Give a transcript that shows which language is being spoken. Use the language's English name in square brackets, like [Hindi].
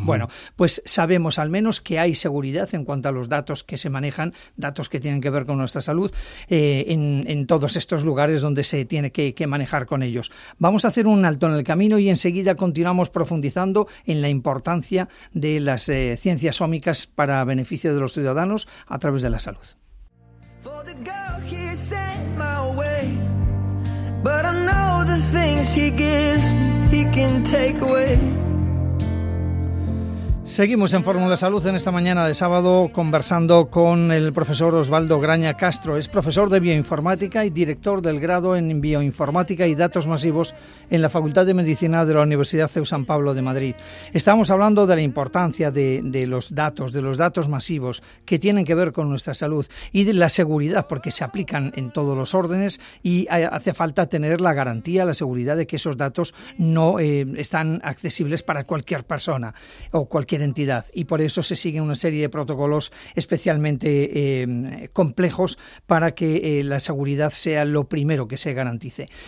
[Spanish] Bueno, pues sabemos al menos que hay seguridad en cuanto a los datos que se manejan, datos que tienen que ver con nuestra salud, en todos estos lugares donde se tiene que manejar con ellos. Vamos a hacer un alto en el camino y enseguida continuamos profundizando en la importancia de las ciencias ómicas para beneficio de los ciudadanos a través de la salud. [English] For the girl he sent my way, but I know the things he gives he can take away. [Spanish] Seguimos en Fórmula Salud en esta mañana de sábado conversando con el profesor Osvaldo Graña Castro. Es profesor de bioinformática y director del grado en bioinformática y datos masivos en la Facultad de Medicina de la Universidad CEU San Pablo de Madrid. Estamos hablando de la importancia de los datos masivos que tienen que ver con nuestra salud y de la seguridad, porque se aplican en todos los órdenes y hace falta tener la garantía, la seguridad de que esos datos no están accesibles para cualquier persona o cualquier entidad, y por eso se siguen una serie de protocolos especialmente complejos para que la seguridad sea lo primero que se garantice.